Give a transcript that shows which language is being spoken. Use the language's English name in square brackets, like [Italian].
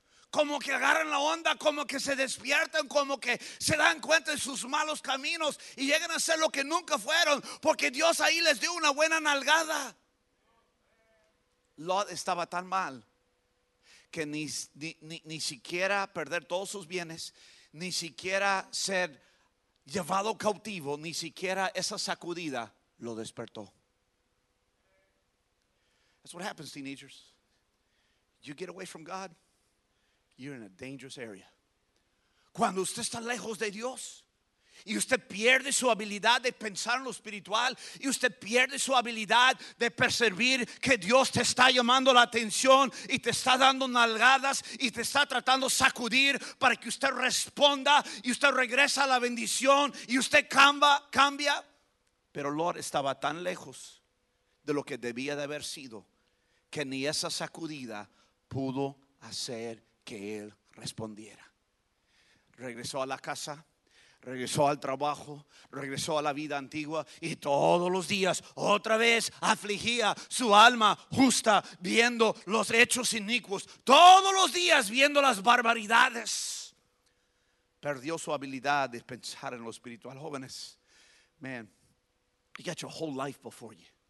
[Spanish] Como que agarran la onda, como que se despiertan, como que se dan cuenta de sus malos caminos y llegan a ser lo que nunca fueron, porque Dios ahí les dio una buena nalgada. Lot estaba tan mal que ni siquiera perder todos sus bienes, ni siquiera ser llevado cautivo, ni siquiera esa sacudida lo despertó. [English] That's what happens, teenagers. You get away from God, you're in a dangerous area. [Spanish] Cuando usted está lejos de Dios y usted pierde su habilidad de pensar en lo espiritual, y usted pierde su habilidad de percibir que Dios te está llamando la atención y te está dando nalgadas y te está tratando de sacudir para que usted responda y usted regresa a la bendición y usted cambia. Pero Lord estaba tan lejos de lo que debía de haber sido que ni esa sacudida pudo hacer que él respondiera. Regresó a la casa, regresó al trabajo, regresó a la vida antigua, y todos los días otra vez afligía su alma justa viendo los hechos inicuos, todos los días viendo las barbaridades. Perdió su habilidad de pensar en lo espiritual. [English] Jóvenes, man, you got your whole life before you.